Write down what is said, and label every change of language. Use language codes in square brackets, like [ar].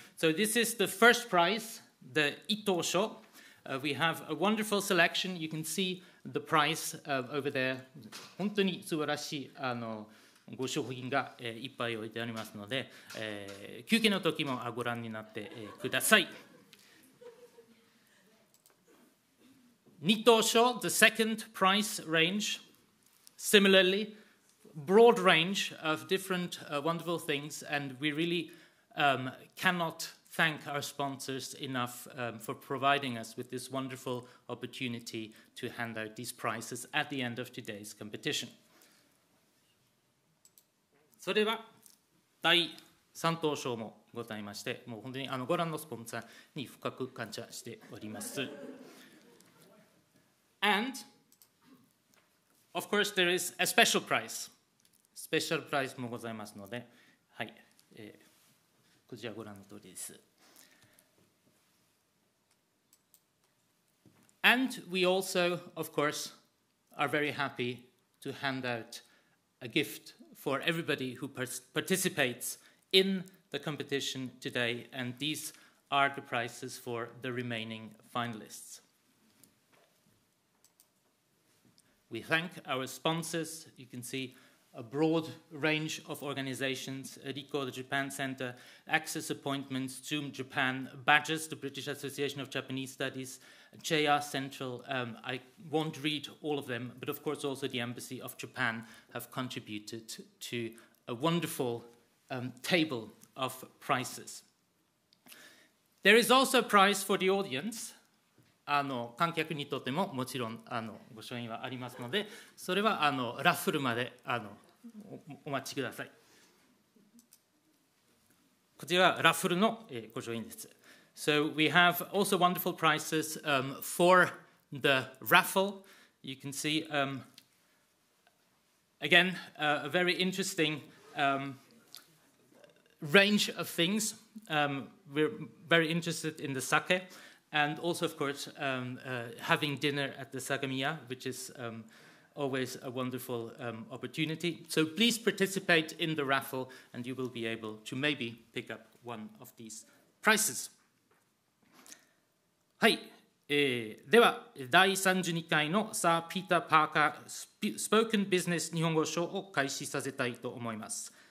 [en] So this is the first prize, the 一等賞。 We have a wonderful selection. You can see the price over there. [ja] 本当に素晴らしいご商品が、いっぱい置いてありますので、休憩の時もご覧になって、ください。 [en] Ni Tōshō, the second price range, similarly, broad range of different wonderful things, and we really cannot thank our sponsors enough for providing us with this wonderful opportunity to hand out these prizes at the end of today's competition. [ja] それでは第3等賞もございまして、もう本当にご覧のスポンサーに深く感謝しております。 [en] And of course, there is a special prize. Special prize [ja] もございますので、はい、こちらご覧の通りです。 [en] And we also, of course, are very happy to hand out a gift for everybody who participates in the competition today. And these are the prizes for the remaining finalists. We thank our sponsors. You can see a broad range of organizations, RICO, the Japan Center, Access Appointments, Zoom Japan, Badges, the British Association of Japanese Studies, JR Central. I won't read all of them, but of course also the Embassy of Japan have contributed to a wonderful table of prizes. There is also a prize for the audience. [ja] 観客にとってももちろんご賞品はありますので、それはラッフルまで お待ちください。こちらはラッフルのご賞品です。 [en] So we have also wonderful prizes for the raffle. You can see again a very interesting range of things. We're very interested in the sake. And also, of course, having dinner at the Sagamiya, which is always a wonderful opportunity. So please participate in the raffle, and you will be able to maybe pick up one of these prizes. [ja] はい、では第32回のサー・ピーター・パーカー・スポーケン・ビジネス日本語賞を開始させたいと思います。